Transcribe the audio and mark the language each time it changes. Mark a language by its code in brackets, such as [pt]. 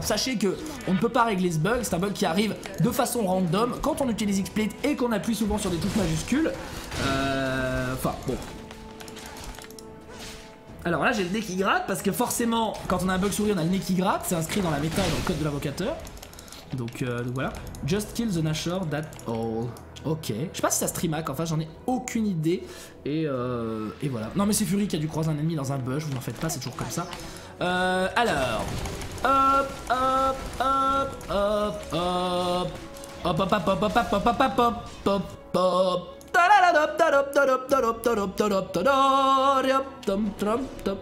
[fr] Sachez que on ne peut pas régler ce bug, c'est un bug qui arrive de façon random quand on utilise XSplit et qu'on appuie souvent sur des touches majuscules. Enfin bon. Alors là j'ai le nez qui gratte parce que forcément quand on a un bug souris on a le nez qui gratte, c'est inscrit dans la méta et dans le code de l'invocateur. Donc voilà. [en] Just kill the Nashor, that all. [fr] Ok, je sais pas si ça stream hack, enfin j'en ai aucune idée. Et voilà. Non mais c'est Fury qui a dû croiser un ennemi dans un bush, vous n'en faites pas, c'est toujours comme ça. Alors. Hop, hop, hop, hop, hop. Hop, hop, hop, hop, hop, hop, hop, hop, hop, hop, hop, hop. Ta-da-da-dop, ta-dop, ta-dop, ta-dop, ta-dop, ta-dop, ta-dop, ta-dop, ta-dop, ta-dop.